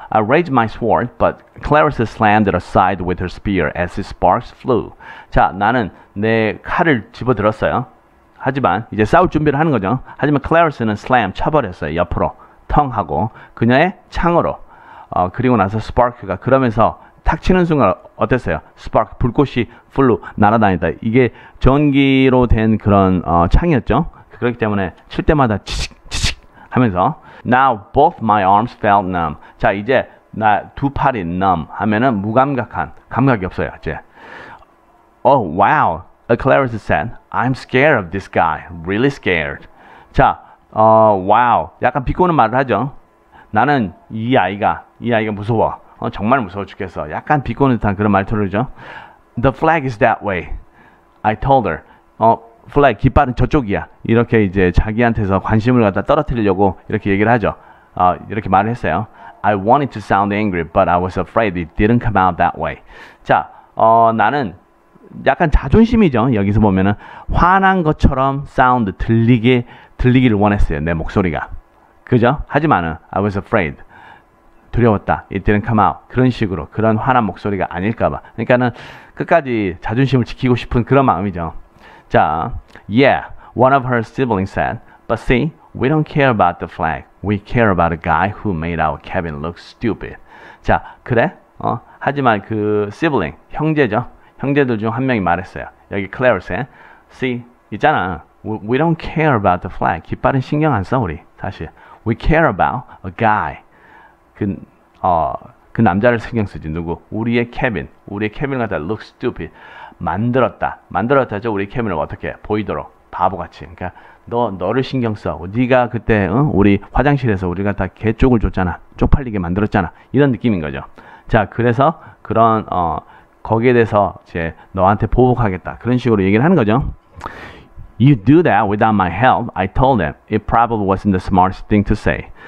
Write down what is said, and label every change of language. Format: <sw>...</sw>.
<en>I raised my sword, but Clarissa slammed it aside with her spear as the sparks flew.</en> <ko>자, 나는 내 칼을 집어들었어요. 하지만 이제 싸울 준비를 하는 거죠. 하지만 Clarissa는 slam 쳐버렸어요. 옆으로 텅하고 그녀의 창으로. 그리고 나서 spark가 그러면서 탁 치는 순간 어땠어요? spark, 불꽃이 flew, 날아다니다. 이게 전기로 된 그런 창이었죠. 그렇기 때문에 칠 때마다 치식 치식 하면서</ko> <en>Now both my arms felt numb.</en> <ko>자, 이제 나 두 팔이 numb 하면은 무감각한, 감각이 없어요 이제.</ko> <en>Oh wow, Clarissa said, I'm scared of this guy, really scared.</en> <ko>자, wow, 약간 비꼬는 말을 하죠. 나는 이 아이가 무서워. 정말 무서워 죽겠어. 약간 비꼬는 듯한 그런 말투를죠.</ko> <en>The flag is that way, I told her.</en> <ko>플래그, 깃발은 저쪽이야. 이렇게 이제 자기한테서 관심을 갖다 떨어뜨리려고 이렇게 얘기를 하죠. 이렇게 말을 했어요.</ko> <en>I wanted to sound angry, but I was afraid it didn't come out that way.</en> <ko>자, 나는 약간 자존심이죠. 여기서 보면은 화난 것처럼 사운드 들리기를 원했어요. 내 목소리가. 그죠? 하지만은</ko> <en>I was afraid.</en> <ko>두려웠다.</ko> <en>It didn't come out.</en> <ko>그런 식으로. 그런 화난 목소리가 아닐까 봐. 그러니까는 끝까지 자존심을 지키고 싶은 그런 마음이죠.</ko> <en>자, yeah, one of her siblings said, but see, we don't care about the flag. We care about a guy who made our cabin look stupid.</en> <ko>자, 그래? 하지만 그 sibling, 형제죠? 형제들 중 한 명이 말했어요. 여기</ko> <en>Clarissa, see,</en> <ko>있잖아.</ko> <en>We don't care about the flag.</en> <ko>깃발은 신경 안 써, 우리. 다시.</ko> <en>We care about a guy.</en> <ko>그 남자를 신경 쓰지. 누구? 우리의 cabin. 우리의 cabin 같다.</ko> <en>Look stupid.</en> <ko>만들었다죠. 우리 캐빈을 어떻게 보이도록 바보같이. 그러니까 너를 신경 써. 네가 그때 우리 화장실에서 우리가 다 개쪽을 줬잖아. 쪽팔리게 만들었잖아. 이런 느낌인 거죠. 자, 그래서 그런 거기에 대해서 이제 너한테 보복하겠다. 그런 식으로 얘기를 하는 거죠.</ko> <en>You do that without my help, I told them. It probably wasn't the smartest thing to say.</en>